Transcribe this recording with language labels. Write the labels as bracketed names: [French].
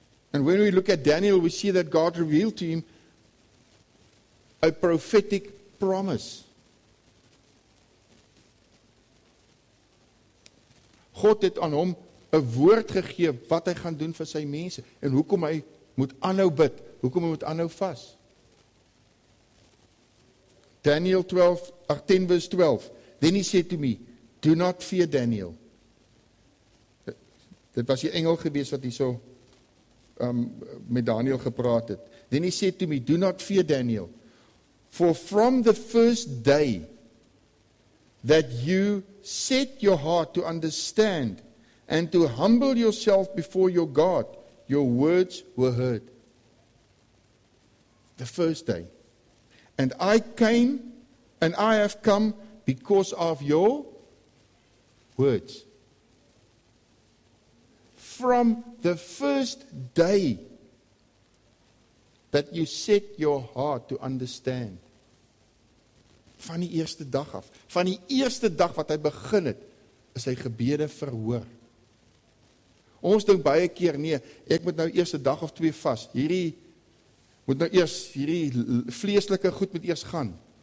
[English] And when we look at Daniel, we see that God revealed to him a prophetic promise. [Afrikaans] God het aan hom 'n woord gegee wat hy gaan doen vir sy mense en hoekom hy moet aanhou bid, hoekom hy moet aanhou vas. [English] Daniel 10:12. Then he said to me, do not fear Daniel. [Afrikaans] Dit was die engel gewees wat hy so met Daniel gepraat het. [English] Then he said to me, do not fear Daniel. For from the first day that you set your heart to understand and to humble yourself before your God, your words were heard. The first day. And I came, and I have come because of your words. From the first day that you set your heart to understand. [Afrikaans] Van die eerste dag af. Van die eerste dag wat hy begin het, is hy gebede verhoor. Ons dink baie keer, nee, ek moet nou eerst 'n dag of twee vas, hierdie vleeslike goed moet eerst gaan.